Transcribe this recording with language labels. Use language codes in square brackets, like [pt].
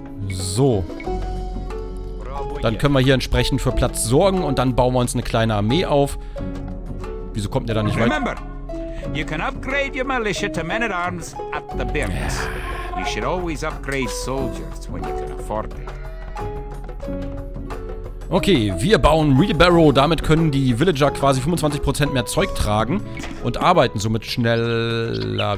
[de] So. Dann können wir hier entsprechend für Platz sorgen und dann bauen wir uns eine kleine Armee auf. Wieso kommt der da nicht weiter? [en] Remember, you can upgrade your militia to men-at-arms at the bins. You should always upgrade soldiers when you can afford it. [de] Okay, wir bauen Wheelbarrow. Damit können die Villager quasi 25% mehr Zeug tragen und arbeiten somit schneller.